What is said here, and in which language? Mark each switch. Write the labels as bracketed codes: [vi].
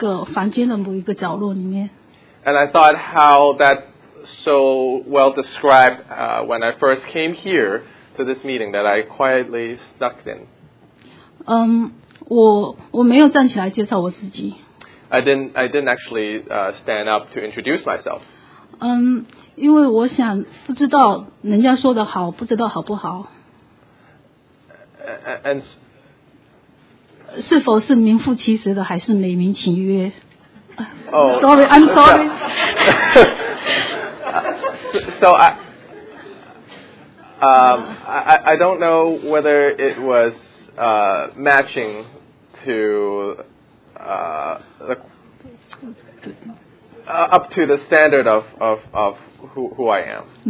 [zh] 我想我第一次来的时候，我也是这样偷偷的来，坐在这个房间的某一个角落里面。 [en] And I thought how that so well described when I first came here to this meeting that I quietly snuck in. [zh] 我没有站起来介绍我自己。 [en] I didn't actually stand up to introduce myself. [zh] 因为我想不知道人家说的好，不知道好不好。 [en] And [zh] 是否是名副其实的，还是美名其曰？ Oh, [en] sorry, I'm sorry. So I don't know whether it was matching to the up to the standard of who I am.